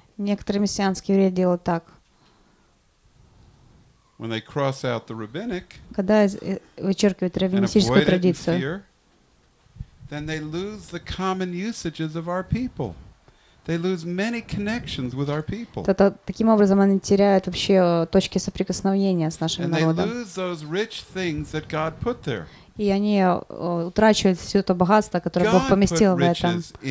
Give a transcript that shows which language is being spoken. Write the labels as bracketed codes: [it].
[ru] Некоторые мессианские евреи делают так. [en] When they cross out the rabbinic, [ru] когда вычеркивают раввинистическую традицию, [en] then they lose the common usages of our people. They lose many connections with our people. [ru] Таким образом, они теряют вообще точки соприкосновения с нашим народом. [en] And they lose those rich things that God put there. [ru] И они утрачивают все то богатство, которое Бог поместил в этом.